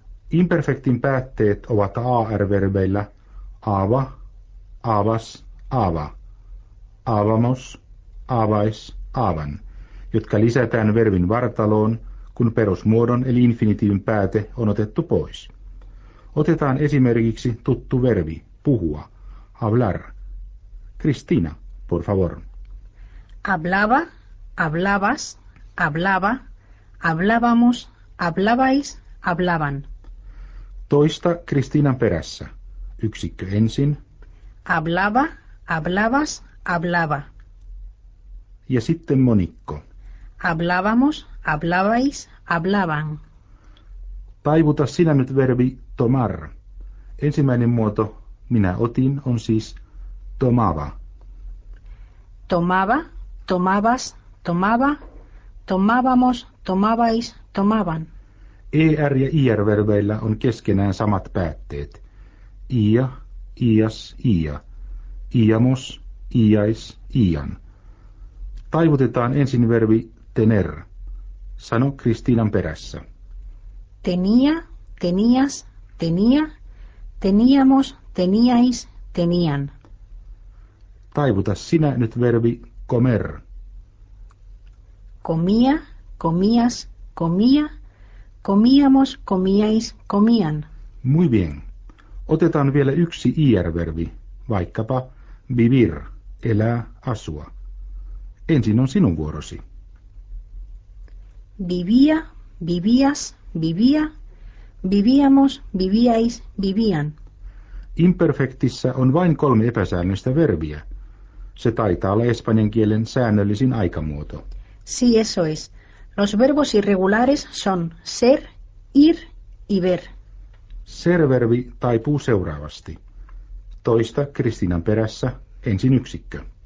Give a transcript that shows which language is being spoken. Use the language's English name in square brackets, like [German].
[Finnish] Imperfektin päätteet ovat AR-verbeillä aava, aavas, aava, aavamos, aavais, aavan, jotka lisätään verbin vartaloon, kun perusmuodon eli infinitiivin pääte on otettu pois. Otetaan esimerkiksi tuttu verbi, puhua, hablar. [Spanish] Kristiina, por favor. Hablaba, hablabas, hablaba, hablábamos, hablabais, hablaban. [Finnish] Toista Kristiinan perässä. Yksikkö ensin. [Spanish] Hablaba, hablabas, hablaba. [Finnish] Ja sitten monikko. [Spanish] Hablábamos, hablabais, hablaban. [Finnish] Taivuta sinä nyt verbi tomar. Ensimmäinen muoto minä otin on siis tomaba. [Spanish] Tomaba, tomabas, tomaba, tomábamos, tomabais, tomaban. [Finnish] ER ja IR-verbeillä on keskenään samat päätteet. [Spanish] Ia, ias, ia. Iamos, iais, ian. [Finnish] Taivutetaan ensin verbi tener. Sano Kristiinan perässä. [Spanish] Tenía, tenías, tenía, teníamos, teníais, tenían. [Finnish] Taivuta sinä nyt verbi comer. [Spanish] Comía, comías, comía, comíamos, comíais, comían. Muy bien. [Finnish] Otetaan vielä yksi IR-verbi, vaikkapa vivir, elää, asua. Ensin on sinun vuorosi. [Spanish] Vivía, vivías, vivía, vivíamos, vivíais, vivían. [Finnish] Imperfektissä on vain kolme epäsäännöllistä verbiä. Se taitaa olla espanjan kielen säännöllisin aikamuoto. [Spanish] Sí, eso es. Los verbos irregulares son ser, ir y ver. [Finnish] Ser-verbi taipuu seuraavasti. Toista Kristiinan perässä, ensin yksikkö.